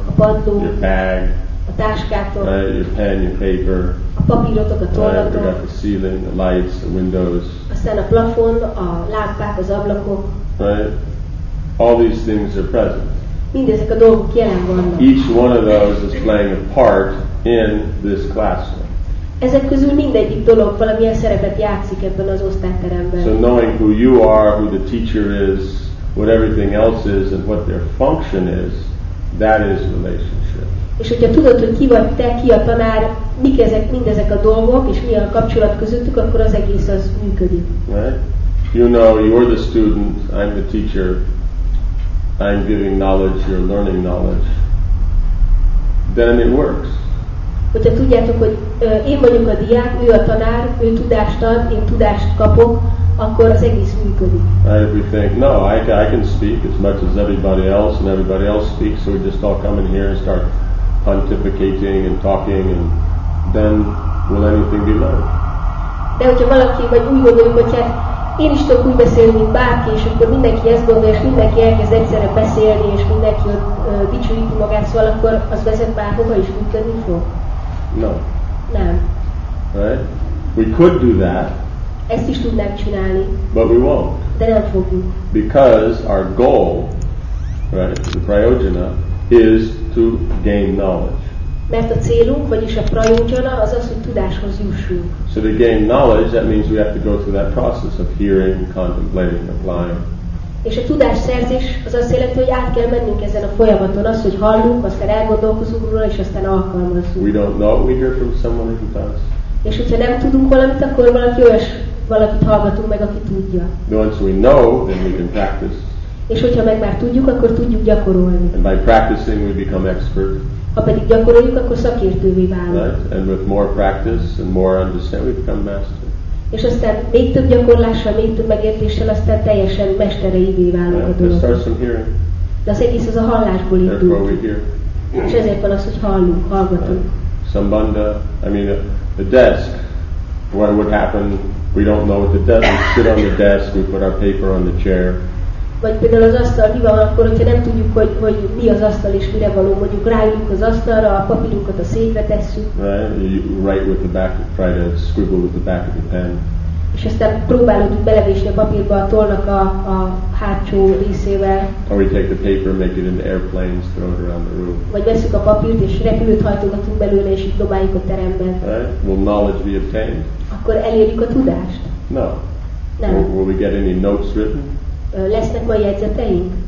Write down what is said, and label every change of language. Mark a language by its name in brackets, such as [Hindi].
[Hungarian] A padló. [English] Your bag. [Hungarian] A táskátok. [English] Right. Your pen, your paper. [Hungarian] A papírotok, a tollatok. [English] Right. The ceiling, the lights, the windows. [Hungarian] Aztán a plafon, a lámpák, az ablakok. [English] Right. All these things are present. [Hungarian] Mindezek a dolgok jelen vannak. [English] Each one of those is playing a part in this classroom. [Hungarian] Ezek közül mindegyik dolog valamilyen szerepet játszik ebben az osztályteremben. [English] So knowing who you are, who the teacher is, what everything else is, and what their function is, that is relationship. [Hungarian] És hogyha tudod, hogy ki vagy te, ki a tanár, mik ezek, mindezek a dolgok, és mi a kapcsolat közöttük, akkor az egész az működik. [English] Right? You know, you're the student, I'm the teacher, I'm giving knowledge, you're learning knowledge, then it works. [Hungarian] Hogyha tudjátok, hogy én vagyok a diák, ő a tanár, ő tudást ad, én tudást kapok, akkor az egész működik. [English] Right, we think, no, I can speak as much as everybody else, and everybody else speaks, so we just all come in here and start pontificating and talking, and then will anything be learned? [Hungarian] De hogyha valaki, vagy úgy gondoljuk, hogy hát, én is tudok úgy beszélni, mint bárki, és akkor mindenki ezt gondolja, és mindenki elkezd egyszerre beszélni, és mindenki ott dicsőíti magát, szóval akkor az vezet bárhova is működni fog? [English] No. [Hungarian] Nem. [English] Right? We could do that. [Hungarian] Ezt is tudnánk csinálni. [English] But we won't. [Hungarian] De nem fogunk. [English] Because our goal, right, the prayojana, is to gain knowledge. [Hungarian] Mert a célunk, vagyis a prajojana, az az, hogy tudáshoz jussunk. [English] So to gain knowledge, that means we have to go through that process of hearing, contemplating, applying. [Hungarian] És a tudás szerzés az azt jelenti, hogy át kell mennünk ezen a folyamaton, az, hogy hallunk, aztán elgondolkozunk róla, és aztán alkalmazunk. [English] We don't know, we hear from someone who does. [Hungarian] És hogyha nem tudunk valamit, akkor valaki olyas valakit hallgatunk meg, aki tudja. [English] Once we know, then we can practice. [Hungarian] És hogyha meg már tudjuk, akkor tudjuk gyakorolni. [English] And by practicing, we become expert. [Hungarian] Ha pedig gyakoroljuk, akkor szakértővé válunk. [English] Right. And with more practice and more understanding, we become master. [Hungarian] És aztán még több gyakorlással, még több megértéssel, aztán teljesen mestereivé válunk a dolog. [English] It starts from hearing. [Hungarian] De az egész az a hallásból indul. [English] Therefore we hear. [Hungarian] És ezért van az, hogy hallunk, hallgatunk. [English] Right. Sambandha, I mean a desk, what would happen, we don't know what the desk, we sit on the desk, we put our paper on the chair. [Hungarian] Vagy például az asztal, mi van akkor, hogyha nem tudjuk, hogy, hogy mi az asztal és mire való, mondjuk ráülünk az asztalra, a papírunkat a székre tesszük. [English] Right, you write with the back, try to scribble with the back of the pen. [Hungarian] és aztán próbálod belevésni a papírba a tollnak a hátsó részével. [English] Or we take the paper, make it into airplanes, throw it around the room. [Hungarian] Vagy veszük a papírt és repülőt hajtogatunk belőle és így dobáljuk a teremben. [English] Right? Will knowledge be obtained? [Hungarian] Akkor elérjük a tudást? [English] No. [Hungarian] Nem. [English] Will we get any notes written? [Hungarian] Lesznek majd jegyzeteink?